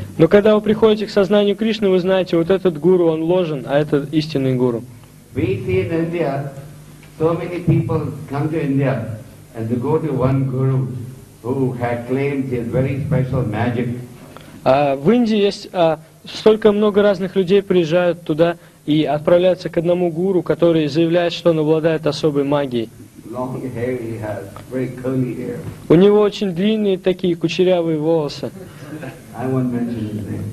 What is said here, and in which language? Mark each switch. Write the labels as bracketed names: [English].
[Russian] Но когда вы приходите к сознанию Кришны, вы знаете, вот этот гуру, он ложен, а это истинный гуру. [English] We see in India, so many people come to India and they go to one guru who had claimed his very special magic. [Russian] В Индии есть столько много разных людей приезжают туда и отправляются к одному гуру, который заявляет, что он обладает особой магией. [English] Long hair he has, very curly hair. [Russian] У него очень длинные такие кучерявые волосы. [English] I won't mention his name.